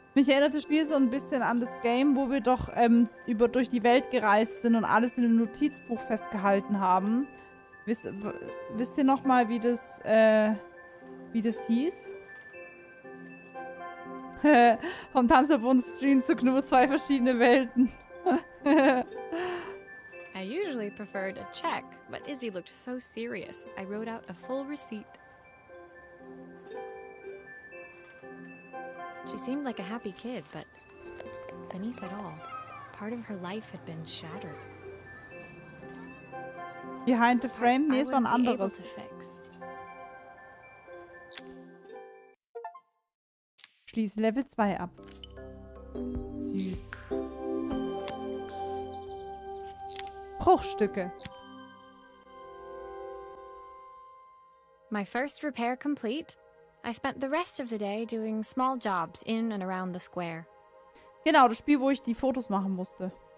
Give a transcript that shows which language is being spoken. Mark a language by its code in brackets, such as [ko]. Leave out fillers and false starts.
[de] Mich erinnert das Spiel so ein bisschen an das Game, wo wir doch durch die Welt gereist sind und alles in einem Notizbuch festgehalten haben. Wisst ihr noch mal, wie das hieß? Vom Tanzverbund-Stream zu Knur zwei verschiedene Welten. [en] I usually preferred a check, but Izzy looked so serious. I wrote out a full receipt. She seemed like a happy kid, but beneath it all, part of her life had been shattered. Behind the frame, [de] nee, es war ein anderes. Schließe Level 2 ab. Süß. Bruchstücke. [en] My first repair complete. I spent the rest of the day doing small jobs in and around the square. [de] Genau, das Spiel, wo ich die Fotos machen musste.